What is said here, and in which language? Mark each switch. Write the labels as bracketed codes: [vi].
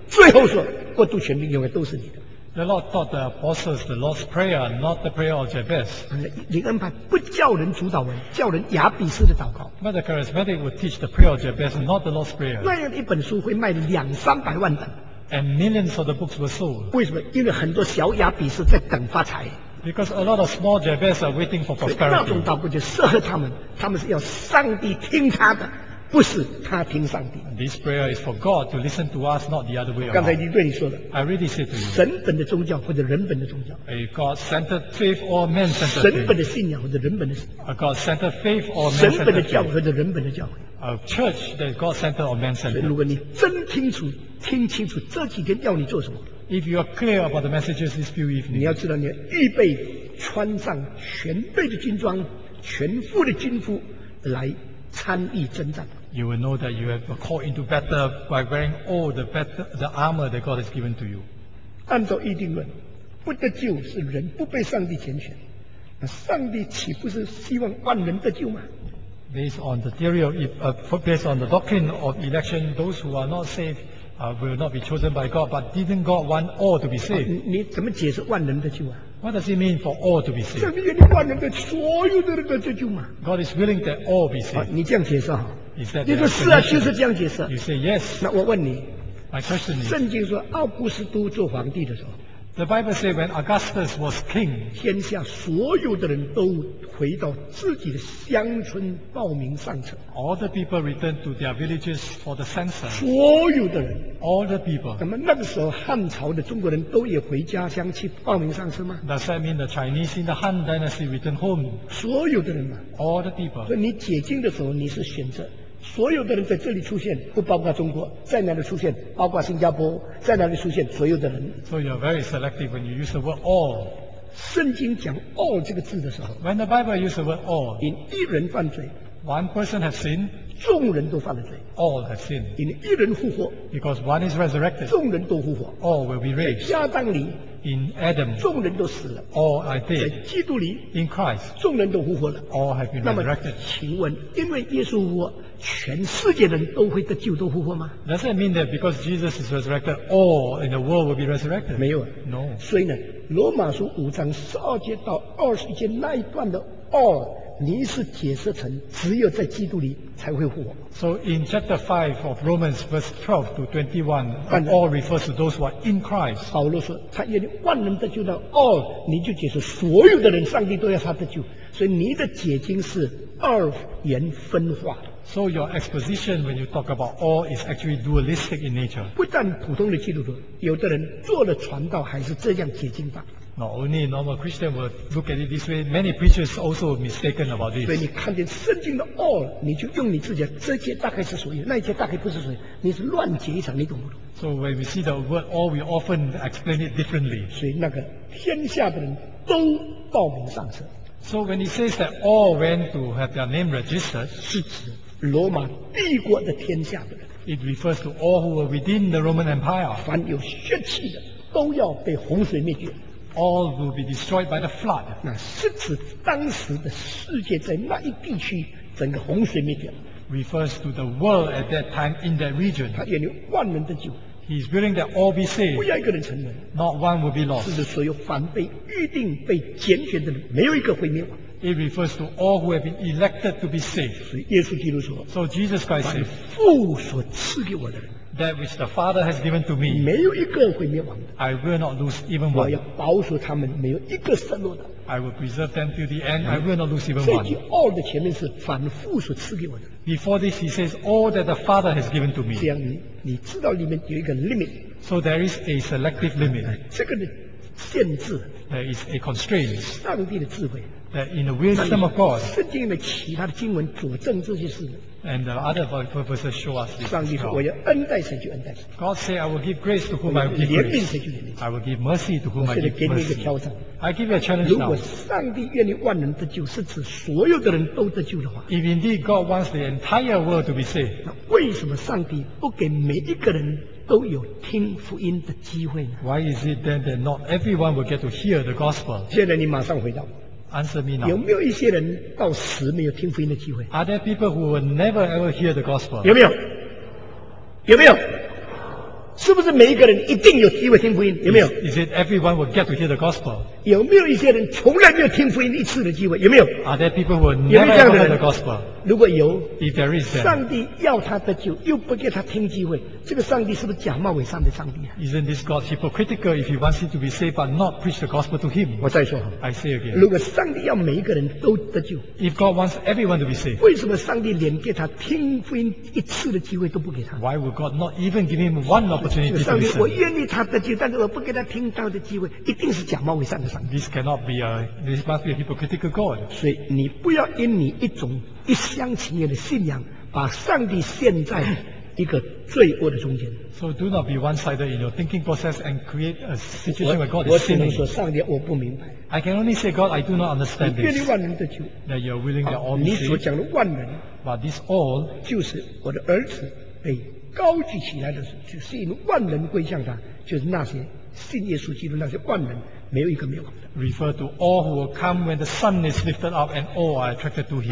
[zh] 最后说：“国度全地永远都是你的。” [en] The Lord taught the apostles the Lord's prayer, not the prayer of Jabez. [zh] 灵恩派不叫人主祷文，叫人亚比斯的祷告。 [en] But the charismatic would teach the prayer of Jabez, not the Lord's prayer. [zh] 那样一本书会卖两三百万本。 [en] And millions of the books were sold. [zh] 为什么？因为很多小亚比斯在等发财。 [en] Because a lot of small Jabez are waiting for prosperity. [zh] 那种祷告就适合他们，他们是要上帝听他的，不是他听上帝。 [en] This prayer is for God to listen to us, not the other way around. [zh] 刚才已经对你说了。 [en] I already said to you. [zh] 神本的宗教或者人本的宗教。 [en] A God-centered faith or man-centered faith. [zh] 神本的信仰或者人本的信仰。 [en] A God-centered faith or man-centered faith. [zh] 神本的教会或者人本的教会。 [en] A church that is God-centered or man-centered. [zh] 如果你真清楚。听清楚这几天要你做什么。 [en] If you are clear about the messages this few evenings, [zh] 你要知道你要预备穿上全备的军装，全副的军服来参与征战。 [en] You will know that you have been called into battle by wearing all the armor that God has given to you. [zh] 按照预定论，不得救是人不被上帝拣选，那上帝岂不是希望万人得救吗？ [en] Based on the theory of based on the doctrine of election, those who are not saved. Will not be chosen by God, but didn't God want all to be saved? [zh] 你怎么解释万人得救啊？ [en] What does it mean for all to be saved? [zh] 上帝愿意万人的所有的人得救吗？ [en] God is willing that all be saved. [zh] 你这样解释哈？ [en] Is that [zh] 你说是啊，就是这样解释。 [en] You say yes. [zh] 那我问你， [en] My question is, [zh] 圣经说奥古斯都做皇帝的时候， [en] The Bible says when Augustus was king, [zh] 天下所有的人都回到自己的乡村报名上车。 [en] All the people returned to their villages for the census. [zh] 所有的人。 [en] All the people. [zh] 那么那个时候汉朝的中国人都也回家乡去报名上车吗？ [en] Does that mean the Chinese in the Han Dynasty returned home? [zh] 所有的人嘛。 [en] All the people. [zh] 所以你解经的时候，你是选择所有的人在这里出现，不包括中国，在哪里出现，包括新加坡，在哪里出现，所有的人。 [en] So you're very selective when you use the word all. [zh] 圣经讲 all 这个字的时候， [en] When the Bible uses the word all, [zh] 因一人犯罪， [en] One person has sinned, [zh] 众人都犯了罪。 [en] All have sinned. [zh] 因为一人复活。 [en] Because one is resurrected. [zh] 众人都复活。 [en] All will be raised. [zh] 在亚当里。 [en] In Adam. [zh] 众人都死了。 [en] All are dead. [zh] 在基督里。 [en] In Christ. [zh] 众人都复活了。 [en] All have been resurrected. [zh] 那么请问，因为耶稣复活，全世界人都会得救都复活吗？ [en] Does that mean that because Jesus is resurrected, all in the world will be resurrected? [zh] 没有。 [en] No. [zh] 所以呢，罗马书五章十二节到二十一节那一段的 all。你是解释成只有在基督里才会复活。 [en] So in chapter 5 of Romans verse 12 to 21, all refers to those who are in Christ. [zh] 保罗说他愿意万人得救的 all， 你就解释所有的人上帝都要他得救，所以你的解经是二元分化。 [en] So your exposition when you talk about all is actually dualistic in nature. [zh] 不但普通的基督徒，有的人做了传道还是这样解经法。 [en] Not only normal Christians will look at it this way, many preachers also mistaken about this. [zh] 所以你看见圣经的 all， 你就用你自己的这些大概是属于，那些大概不是属于，你是乱解一场，你懂不懂？ [en] So when we see the word all, we often explain it differently. [zh] 所以那个天下的人都报名上车。 [en] So when he says that all went to have their name registered, [zh] 是指罗马帝国的天下的人。 [en] It refers to all who were within the Roman Empire. [zh] 凡有血气的都要被洪水灭绝。 [en] All will be destroyed by the flood. [zh] 那是指当时的世界在那一地区整个洪水灭绝。 [en] Refers to the world at that time in that region. [zh] 他愿意万人得救。 [en] He is willing that all be saved. [zh] 不要一个人沉沦。 [en] Not one will be lost. [zh] 是指所有凡被预定被拣选的人，没有一个毁灭亡。 [en] It refers to all who have been elected to be saved. [zh] 所以耶稣基督说。 [en] So Jesus Christ said. [zh] 凡父所赐给我的人。 [en] That which the Father has given to me, [zh] 没有一个会灭亡的。 [en] I will not lose even one. [zh] 我要保守他们，没有一个失落的。 [en] I will preserve them till the end. I will not lose even one. [zh] 这句 all 的前面是反复所赐给我的。 [en] Before this, he says all that the Father has given to me. [zh] 这样你知道里面有一个 limit. [en] So there is a selective limit. [zh] 这个限制。 [en] There is a constraint. [zh] 上帝的智慧。 [en] That in the wisdom of God. [zh] 圣经里面其他的经文佐证这些事。 [en] And the other purposes show us this. [zh] 上帝说：“我要恩待谁就恩待谁。” [en] God say, "I will give grace to whom I will give grace." [zh] 怜悯谁就怜悯谁。 [en] I will give mercy to whom I give mercy. [zh] 我现在给你一个挑战。 [en] I give you a challenge now. [zh] 如果上帝愿意万人得救，是指所有的人都得救的话。 [en] If indeed God wants the entire world to be saved. [zh] 那为什么上帝不给每一个人都有听福音的机会呢？ [en] Why is it then that not everyone will get to hear the gospel? [zh] 现在你马上回答。 [en] Answer me now. [zh] 有没有一些人到死没有听福音的机会？ [en] Are there people who will never ever hear the gospel? [zh] 有没有？有没有？是不是每一个人一定有机会听福音？有没有？ [en] Is it everyone will get to hear the gospel? [zh] 有没有一些人从来没有听福音一次的机会？有没有？ [en] Are there people who will never ever hear the gospel? [zh] 如果有， [en] If there is, [zh] 上帝要他得救又不给他听机会，这个上帝是不是假冒伪善的上帝啊？ [en] Isn't this God hypocritical if he wants him to be saved but not preach the gospel to him? [zh] 我再说， [en] I say again， [zh] 如果上帝要每一个人都得救， [en] If God wants everyone to be saved， [zh] 为什么上帝连给他听福音一次的机会都不给他？ [en] Why would God not even give him one opportunity to listen？ [zh] 上帝，我愿意他得救，但是我不给他听到的机会，一定是假冒伪善的上帝。 [en] This cannot be a， this must be a hypocritical God。 [zh] 所以你不要因你一种一厢情愿的信仰，把上帝陷在一个罪恶的中间。 [en] So do not be one-sided in your thinking process and create a situation where God is [zh] sinning. 我只能说上帝，我不明白。 [en] I can only say, God, I do not understand this. [zh] 你愿意万人得救 [en] ？That you are willing that all be saved. [zh] 你所讲的万人 [en] ，But this all [zh] 就是我的儿子被高举起来的时候，就是因为万人归向他，就是那些信耶稣基督那些万人。没有一个没有。 [en] Refer to all who will come when the sun is lifted up and all are attracted to him.